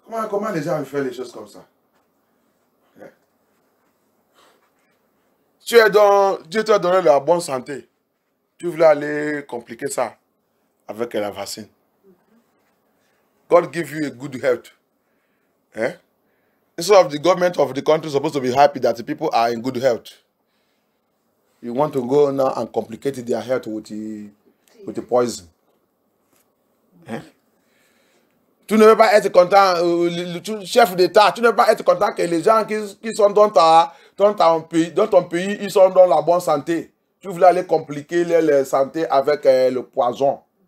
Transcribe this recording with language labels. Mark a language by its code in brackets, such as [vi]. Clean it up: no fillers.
[fr] Comment les gens font les choses comme ça? Tu es donc, Dieu t'a donné la bonne santé. Tu voulais aller compliquer ça avec la vaccine. [en] God give you a good health. Hein? Instead of the government of the country supposed to be happy that the people are in good health, you want to go now and complicate their health with the poison. Hein? [fr] Tu ne veux pas être content, chef d'État, tu ne veux pas être content que les gens qui sont dans ton pays, ils sont dans la bonne santé. Tu voulais aller compliquer leur santé avec le poison.